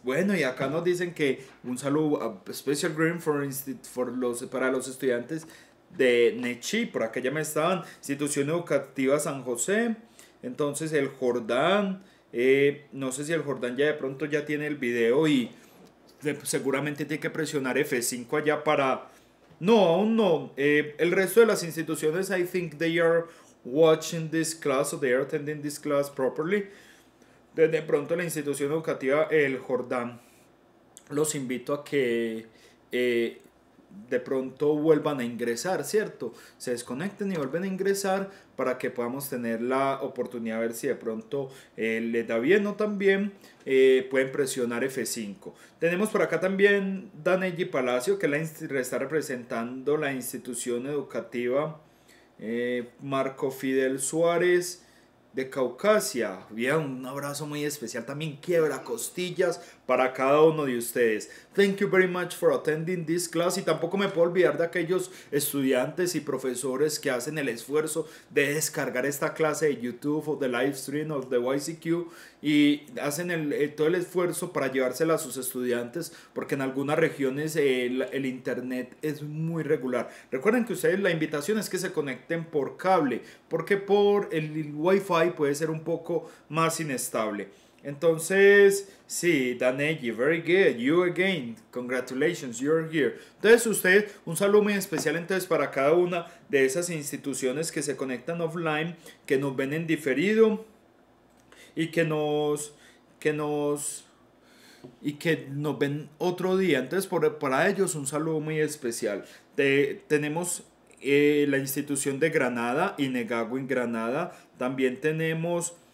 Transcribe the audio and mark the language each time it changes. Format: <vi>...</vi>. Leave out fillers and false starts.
<es>Bueno, y acá nos dicen que un saludo a</es> <en>special greeting</en> <es>para los estudiantes de Nechí. Por acá ya me estaban. Institución Educativa San José. Entonces, El Jordán. No sé si el Jordán ya de pronto ya tiene el video y seguramente tiene que presionar F5 allá para... No, aún no. El resto de las instituciones,</es> <en>I think they are watching this class or they are attending this class properly.</en> <es>De pronto la institución educativa, el Jordán, los invito a que de pronto vuelvan a ingresar, ¿cierto? Se desconecten y vuelven a ingresar para que podamos tener la oportunidad de ver si de pronto les da bien o también pueden presionar F5. Tenemos por acá también Danelli Palacio, que está representando la institución educativa Marco Fidel Suárez de Caucasia. Bien, un abrazo muy especial también, quiebra costillas para cada uno de ustedes.</es> <en>Thank you very much for attending this class.</en> <es>Y tampoco me puedo olvidar de aquellos estudiantes y profesores que hacen el esfuerzo de descargar esta clase de YouTube o de live stream o de YCQ y hacen todo el esfuerzo para llevársela a sus estudiantes, porque en algunas regiones el internet es muy regular. Recuerden que ustedes, la invitación es que se conecten por cable, porque por el Wi-Fi puede ser un poco más inestable. Entonces, sí,</es> <en>Danelli, very good, you again, congratulations, you're here.</en> <es>Entonces, ustedes, un saludo muy especial entonces para cada una de esas instituciones que se conectan offline, que nos ven en diferido y que nos ven otro día. Entonces, para ellos, un saludo muy especial. Tenemos la institución de Granada, Inegago en Granada, también tenemos...</es>